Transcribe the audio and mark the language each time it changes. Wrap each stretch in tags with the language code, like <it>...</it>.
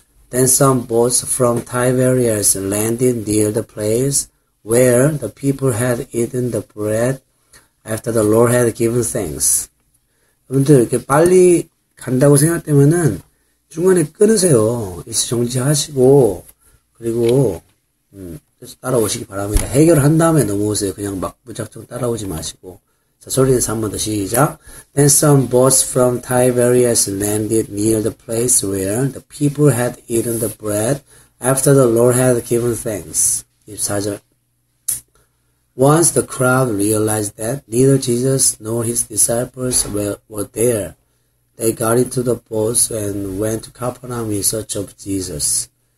<en>Then some boats from Tiberias landed near the place where the people had eaten the bread after the Lord had given thanks.</en> <ko>여러분들, 이렇게 빨리 간다고 생각되면은 중간에 끊으세요. 정지하시고, 그리고, 따라오시기 바랍니다. 해결한 다음에 넘어오세요. 그냥 막 무작정 따라오지 마시고. 자, 소리는 한번 더 시작.</ko> <en>Then some boats from Tiberias landed near the place where the people had eaten the bread after the Lord had given thanks.</en> <ko>24절.</ko> <en>Once the crowd realized that neither Jesus nor his disciples were there, they got into the boats and went to Capernaum in search of Jesus.</en>